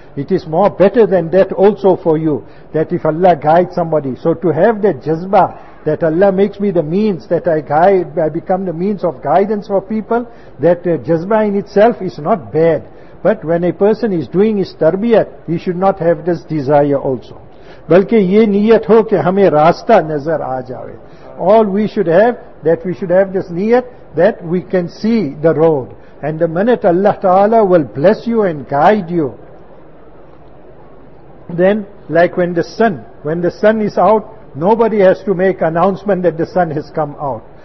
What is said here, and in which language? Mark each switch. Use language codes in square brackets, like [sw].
[en] It is more better than that also for you, that if Allah guides somebody. So to have that jazbah, that Allah makes me the means, that I become the means of guidance for people, that jazbah in itself is not bad. But when a person is doing his tarbiyat, he should not have this desire also. [ur] بلکہ یہ نیت ہو کہ ہمیں راستہ نظر آ جائے. [en] All we should have, that we should have this niyat that we can see the road. And the minute Allah Ta'ala will bless you and guide you, then like when the sun is out, nobody has to make announcement that the sun has come out.